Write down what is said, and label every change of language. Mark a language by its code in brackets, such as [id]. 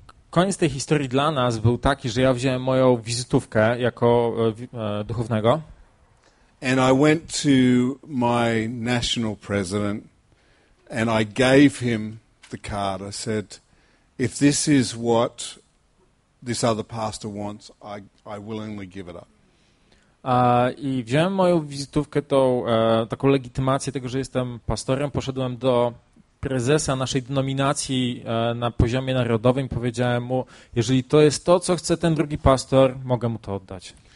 [pl] Koniec tej historii dla nas był taki, że ja wziąłem moją wizytówkę jako duchownego. [en] And I went to my national president and I gave him the card. I said, if this is what this other pastor wants, I willingly give it up. [pl] I wziąłem moją wizytówkę, tą taką legitymację tego, że jestem pastorem, poszedłem do prezesa naszej denominacji na poziomie narodowym, powiedziałem mu, jeżeli to jest to, co chce ten drugi pastor, mogę mu to oddać.